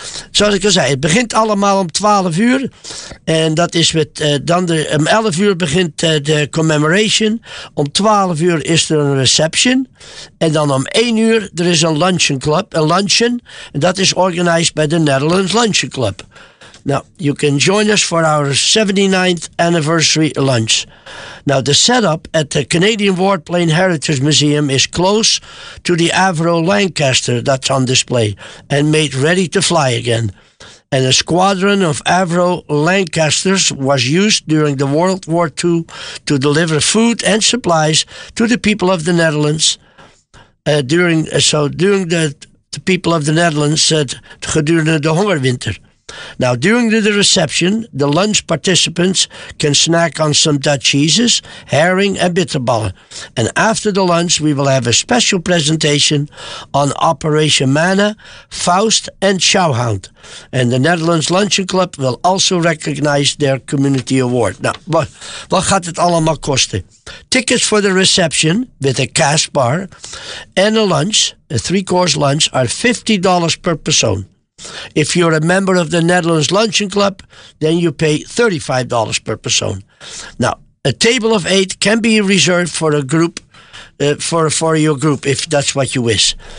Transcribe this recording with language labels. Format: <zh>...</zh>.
<nl>Zoals ik al zei, het begint allemaal om 12 uur. En dat is met, dan de, om 11 uur begint de commemoration. Om 12 uur is er een reception. En dan om 1 uur, er is een luncheon club. Een luncheon. En dat is</nl> <en>organized by the Netherlands Luncheon Club. Now, you can join us for our 79th anniversary lunch. Now, the setup at the Canadian Warplane Heritage Museum is close to the Avro Lancaster that's on display and made ready to fly again. And a squadron of Avro Lancasters was used during the World War II to deliver food and supplies to the people of the Netherlands. During the people of the Netherlands said</en> <nl>gedurende de hongerwinter.</nl> <en>Now, during the reception, the lunch participants can snack on some Dutch cheeses, herring and bitterballen. And after the lunch, we will have a special presentation on Operation Manna, Faust and Schouwhound. And the Netherlands Luncheon Club will also recognize their community award.</en> <nl>Now, wat gaat het allemaal kosten?</nl> <en>Tickets for the reception with a cash bar and a lunch, a three-course lunch, are $50 per persoon. If you're a member of the Netherlands Luncheon Club, then you pay $35 per persoon. Now, a table of 8 can be reserved for a group, for your group, if that's what you wish.</en>